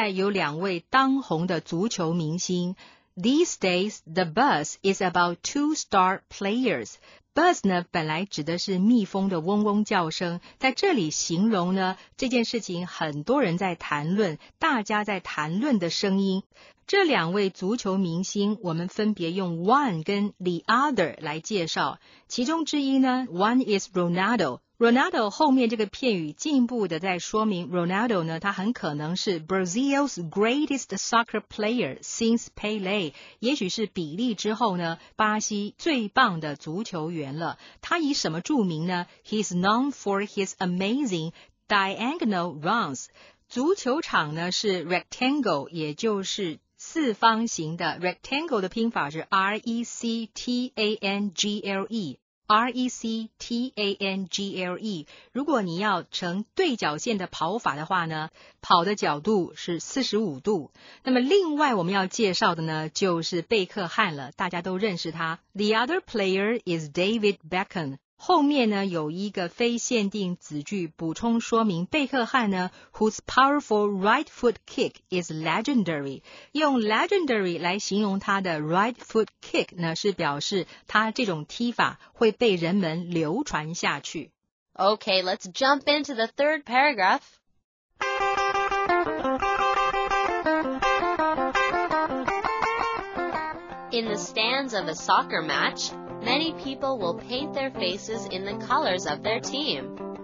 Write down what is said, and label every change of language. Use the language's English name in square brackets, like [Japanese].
[Chinese] 比利已经退休了，现在有两位当红的足球明星。 [English] These days, the buzz is about two star players. [Chinese] Buzz 呢本来指的是蜜蜂的嗡嗡叫声，在这里形容呢这件事情很多人在谈论，大家在谈论的声音。这两位足球明星，我们分别用 one 跟 the other 来介绍。其中之一呢 ， [English] one is Ronaldo。 [Chinese] Ronaldo 后面这个片语进一步的在说明 Ronaldo 呢，他很可能是 [English] Brazil's greatest soccer player since Pelé， [Chinese] 也许是比利之后呢巴西最棒的足球员了。他以什么著名呢？ [English] He's known for his amazing diagonal runs。 [Chinese] 足球场呢是 rectangle， 也就是四方形的。 rectangle 的拼法是 rectangle，rectangle， 如果你要成对角线的跑法的话呢，跑的角度是45度。那么另外我们要介绍的呢就是贝克汉了，大家都认识他。 [English] The other player is David Beckham， [Chinese] 后面呢有一个非限定子句补充说明贝克汉呢 [English] whose powerful right foot kick is legendary， [Chinese] 用 legendary 来形容他的 right foot kick 呢，是表示他这种踢法会被人们流传下去。 [English] Okay, let's jump into the third paragraph. In the stands of a soccer match, many people will paint their faces in the colors of their team.